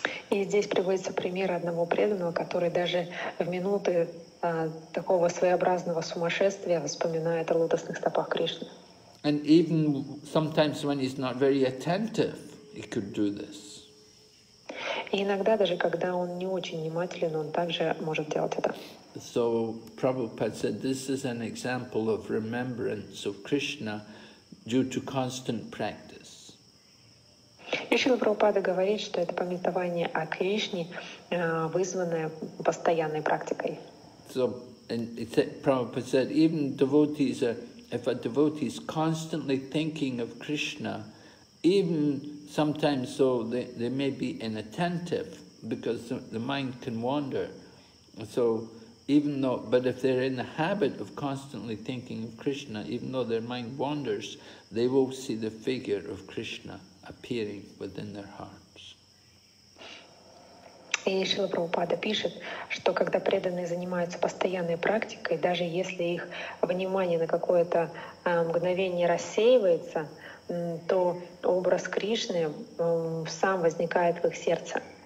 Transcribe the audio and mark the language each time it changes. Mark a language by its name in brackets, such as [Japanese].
[Russian] И здесь приводится пример одного преданного, который даже в минуты такого своеобразного сумасшествия вспоминает о лотосных стопах Кришны. [English] And even sometimes when he's not very attentive, he could do this. [Russian] И иногда даже когда он не очень внимателен, он также может делать это. [English] So Prabhupada said, this is an example of remembrance of Krishna due to constant practice. [Russian] И Шрила Прабхупада говорит, что это памятование о Кришне, вызванное постоянной практикой. [English] So Prabhupada said, even devotees are if a devotee is constantly thinking of Krishna, even sometimes so they may be inattentive because the mind can wander. So even though, but if they're in the habit of constantly thinking of Krishna, even though their mind wanders, they will see the figure of Krishna appearing within their heart. [Russian] И Шрила Прабхупада пишет, что когда преданные занимаются постоянной практикой, даже если их внимание на какое-то мгновение рассеивается, то образ Кришны сам возникает в их сердце.